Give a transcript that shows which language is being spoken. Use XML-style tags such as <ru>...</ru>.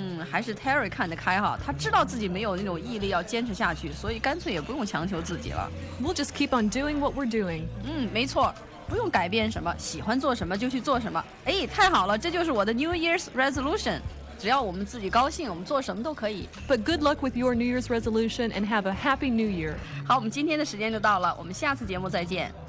<zh>还是 Terry 看得开哈，他知道自己没有那种毅力要坚持下去，所以干脆也不用强求自己了。</zh> <en>We'll just keep on doing what we're doing.</en> <zh>没错。不用改变什么，喜欢做什么就去做什么。哎，太好了，这就是我的 New Year's resolution。只要我们自己高兴，我们做什么都可以。</zh> <en>But good luck with your New Year's resolution and have a happy New Year.</en> <zh>好，我们今天的时间就到了，我们下次节目再见。</zh>